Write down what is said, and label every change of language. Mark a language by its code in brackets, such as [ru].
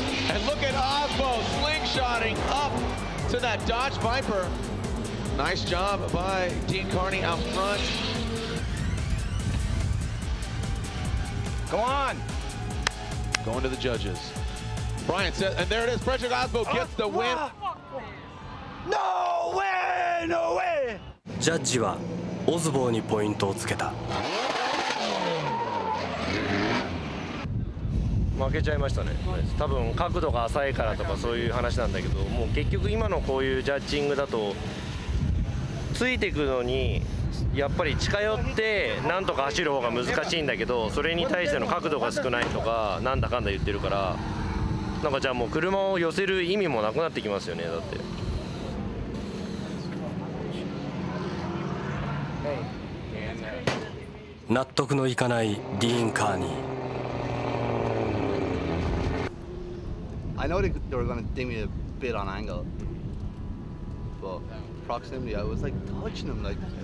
[en] And look at Osbo slingshotting up to that Dodge Viper. Nice job by Dean Carney out front. Come on! Going to the judges. Brian says, and there it is, Frederick Osbo gets the win! No way! No way! [ja] ジャッジはオズボーにポイントをつけた。負けちゃいましたね。多分角度が浅いからとかそういう話なんだけど、もう結局今のこういうジャッジングだと、ついていくのに、やっぱり近寄ってなんとか走る方が難しいんだけど、それに対しての角度が少ないとかなんだかんだ言ってるから、なんかじゃあもう車を寄せる意味もなくなってきますよね。だってはい、納得のいかないディーン・カーニー。 [en] I know they were going to ding me a bit on angle but proximity I was like touching him like